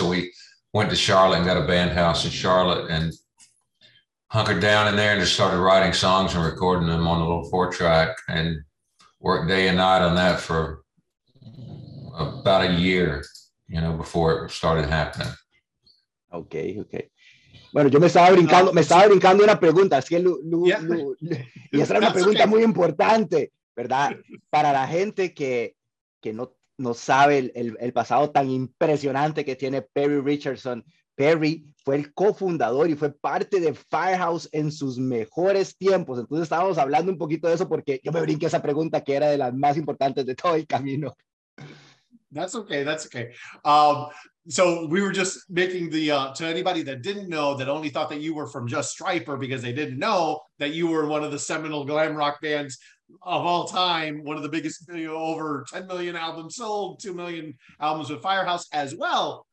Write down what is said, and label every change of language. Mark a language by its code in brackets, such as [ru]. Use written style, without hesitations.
[en] So we went to Charlotte and got a band house in Charlotte and hunkered down in there and just started writing songs and recording them on a little four track and worked day and night on that for about a year, you know, before it started happening. Okay, okay. [es] Bueno, yo me estaba brincando una pregunta. Es que y esa era una pregunta muy importante, ¿verdad? Para la gente que no sabe el pasado tan impresionante que tiene Perry Richardson. Perry fue el cofundador y fue parte de Firehouse en sus mejores tiempos. Entonces estábamos hablando un poquito de eso porque yo me brinqué esa pregunta que era de las más importantes de todo el camino. [en] That's okay, that's okay. So we were just making the, to anybody that didn't know, that only thought that you were from just Stryper because they didn't know that you were one of the seminal glam rock bands of all time, one of the biggest, over 10 million albums sold, 2 million albums with Firehouse as well.